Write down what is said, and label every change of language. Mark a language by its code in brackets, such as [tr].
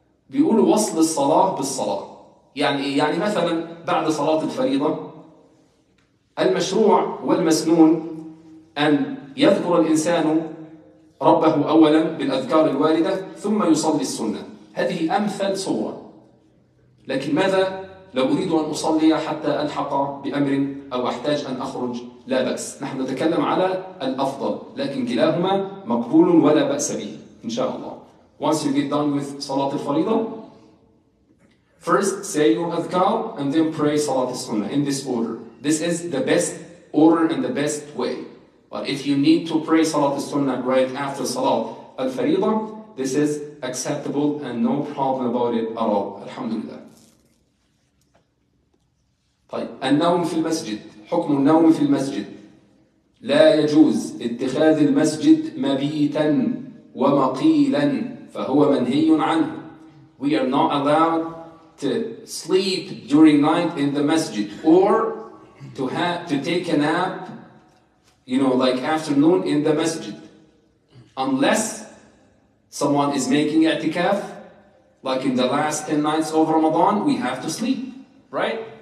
[ar] بيقول وصل الصلاة بالصلاة يعني مثلا بعد صلاة الفريضة المشروع والمسنون أن يذكر الإنسان ربه أولا بالأذكار الواردة ثم يصلي السنة. هذه أمثل صورة. لكن ماذا لو أريد أن أصلي حتى ألحق بأمر أو أحتاج أن أخرج؟ لا بأس. نحن نتكلم على الأفضل لكن كلاهما مقبول ولا بأس به إن شاء الله. [en] Once you get done with Salat al-Fariida, first say your adhkar and then pray Salat al-Sunnah in this order. This is the best order and the best way. But if you need to pray Salat al-Sunnah right after Salat al-Fariida, this is acceptable and no problem about it at all. [ar] Alhamdulillah. طيب النوم في المسجد حكم النوم في المسجد لا يجوز اتخاذ المسجد مبيتا ومقيلا فهو منهي عنه. [en] We are not allowed to sleep during night in the masjid or to take a nap, you know, like afternoon in the masjid, unless someone is making i'tikaf, like in the last 10 nights of Ramadan, we have to sleep, right?